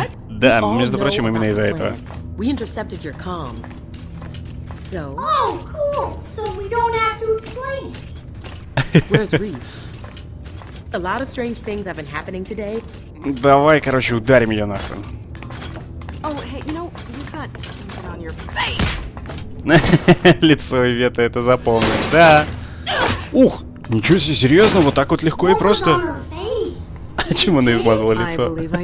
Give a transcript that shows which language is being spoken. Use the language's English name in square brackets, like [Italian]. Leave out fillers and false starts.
[Russian] Да, между прочим, именно из-за этого. [English] We intercepted your comms. So. Oh, cool. So we don't have to explain. Where's Reese? A lot of strange things have been happening today. [Russian] Давай, короче, ударим её нахрен. [English] Oh, hey, you know, you've got something on your face. [Russian] Лицо Ивета это запомнит. Да. Ух, ничего себе, серьёзно, вот так вот легко и просто. Чем она измазала лицо?